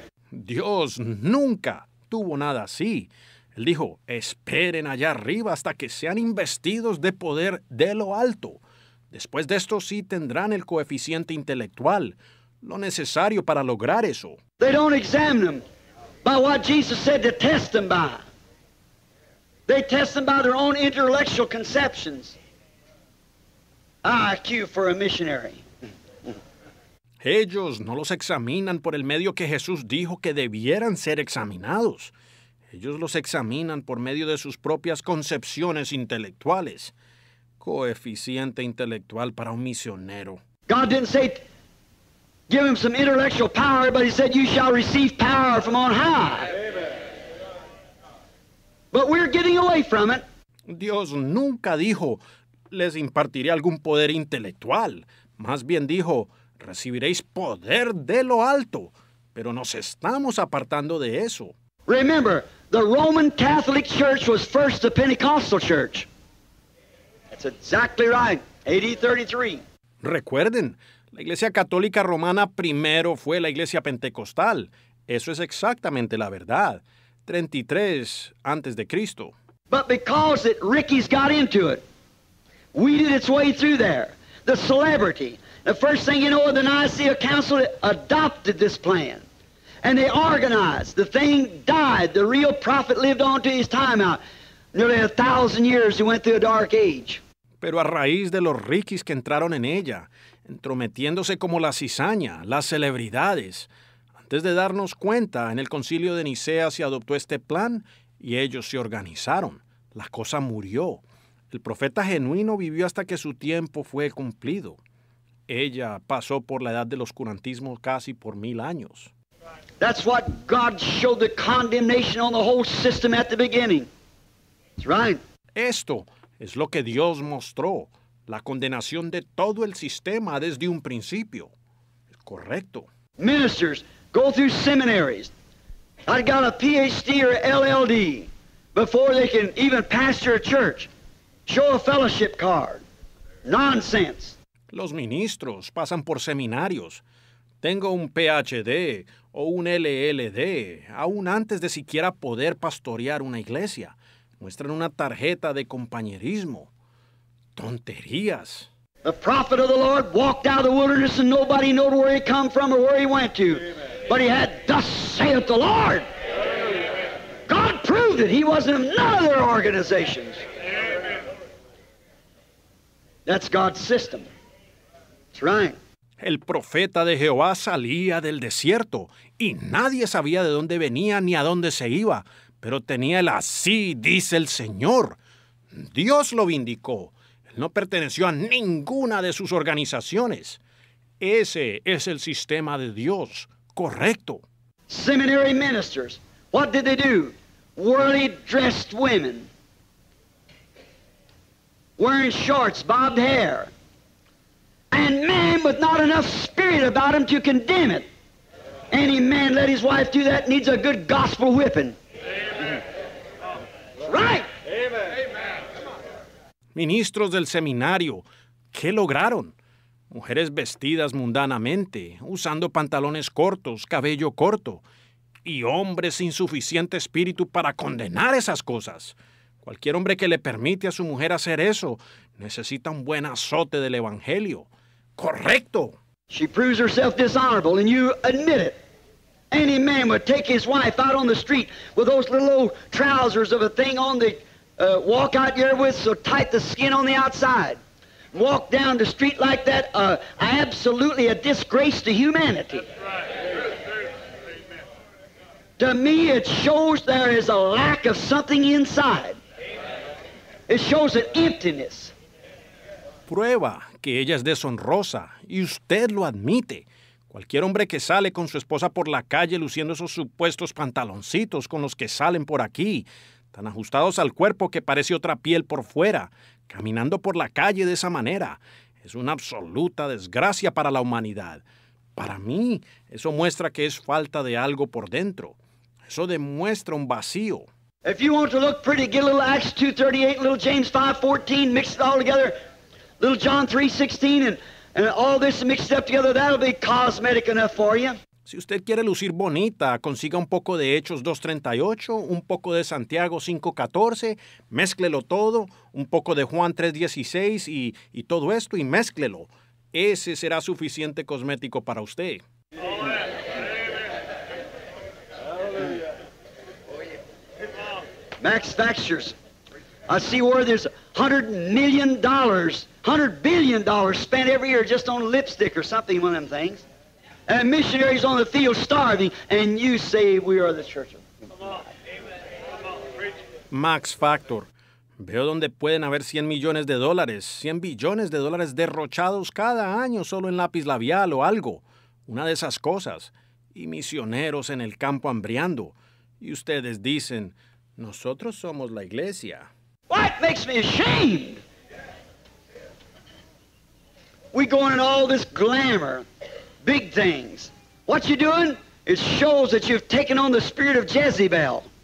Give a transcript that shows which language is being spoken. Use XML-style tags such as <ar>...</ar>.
<es>Dios nunca tuvo nada así. Él dijo, esperen allá arriba hasta que sean investidos de poder de lo alto. Después de esto sí tendrán el coeficiente intelectual, lo necesario para lograr eso.</es> <en>They don't examine them by what Jesus said to test them by. They test them by their own intellectual conceptions. IQ for a missionary.</en> <es>Ellos no los examinan por el medio que Jesús dijo que debieran ser examinados. Ellos los examinan por medio de sus propias concepciones intelectuales. Coeficiente intelectual para un misionero.</es> <en>God didn't say, give him some intellectual power, but he said, you shall receive power from on high. Amen. But we're getting away from it.</en> <es>Dios nunca dijo, les impartiré algún poder intelectual. Más bien dijo, recibiréis poder de lo alto, pero nos estamos apartando de eso.</es> <en>Remember, the Roman Catholic Church was first the Pentecostal Church. That's exactly right. AD 33.</en> <es>Recuerden, la Iglesia Católica Romana primero fue la Iglesia Pentecostal. Eso es exactamente la verdad. 33 antes de Cristo.</es> <en>But because it, Ricky's got into it, weeded its way through there. The celebrity. The first thing you know, the Nicaea Council adopted this plan. And they organized. The thing died. The real prophet lived on to his time out. Nearly 1,000 years he went through a dark age.</en> <es>Pero a raíz de los riquis que entraron en ella, entrometiéndose como la cizaña, las celebridades, antes de darnos cuenta, en el concilio de Nicea se adoptó este plan y ellos se organizaron. La cosa murió. El profeta genuino vivió hasta que su tiempo fue cumplido. Ella pasó por la edad del oscurantismo casi por 1,000 años.</es> <en>That's what God showed the condemnation on the whole system at the beginning. That's right.</en> <es>Esto es lo que Dios mostró, la condenación de todo el sistema desde un principio. Es correcto.</es> <en>Ministers go through seminaries. I got a PhD or LLD before they can even pastor a church. Show a fellowship card. Nonsense.</en> <es>Los ministros pasan por seminarios. Tengo un PhD o un LLD, aún antes de siquiera poder pastorear una iglesia. Muestran una tarjeta de compañerismo. ¡Tonterías!</es> <en>The prophet of the Lord walked out of the wilderness and nobody knew where he come from or where he went to. But he had, thus saith the Lord. God proved it. He wasn't in none of their organizations. That's God's system. That's right.</en> <es>El profeta de Jehová salía del desierto y nadie sabía de dónde venía ni a dónde se iba, pero tenía el así, dice el Señor. Dios lo vindicó. Él no perteneció a ninguna de sus organizaciones. Ese es el sistema de Dios, correcto.</es> <en>Seminary ministers, what did they do? Worldly dressed women, wearing shorts, bobbed hair. And men with not enough spirit about them to condemn it. Any man let his wife do that needs a good gospel whipping. Amen. Right. Amen.</en> <es>Ministros del seminario, ¿qué lograron? Mujeres vestidas mundanamente, usando pantalones cortos, cabello corto, y hombres sin suficiente espíritu para condenar esas cosas. Cualquier hombre que le permite a su mujer hacer eso necesita un buen azote del evangelio. Correcto.</es> <en>She proves herself dishonorable, and you admit it. Any man would take his wife out on the street with those little old trousers of a thing on the walk out there with so tight the skin on the outside. Walk down the street like that, absolutely a disgrace to humanity. Right. To me, it shows there is a lack of something inside. Amen. It shows an emptiness.</en> <es>Prueba que ella es deshonrosa, y usted lo admite. Cualquier hombre que sale con su esposa por la calle luciendo esos supuestos pantaloncitos con los que salen por aquí, tan ajustados al cuerpo que parece otra piel por fuera, caminando por la calle de esa manera, es una absoluta desgracia para la humanidad. Para mí, eso muestra que es falta de algo por dentro. Eso demuestra un vacío.</es> <en>If you want to look pretty, get a little Acts 2:38, little James 5:14, mix it all together. Little John 3:16 and all this mixed up together, that'll be cosmetic enough for you.</en> <es>Si usted quiere lucir bonita, consiga un poco de Hechos 2:38, un poco de Santiago 5:14, mézclelo todo, un poco de Juan 3:16 y todo esto y mézclelo. Ese será suficiente cosmético para usted.</es> <en>Max Factures. I see where there's $100 million, $100 billion spent every year just on lipstick or something, one of them things. And missionaries on the field starving, and you say we are the church. Come on. Amen. Come on, preach.</en> <es>Max Factor, veo donde pueden haber $100 millones, $100 billones derrochados cada año solo en lápiz labial o algo, una de esas cosas, y misioneros en el campo hambriando. Y ustedes dicen, nosotros somos la iglesia.</es> <en>What makes me ashamed? We going in all this glamour, big things. What you doing? It shows that you've taken on the spirit of Jezebel.</en>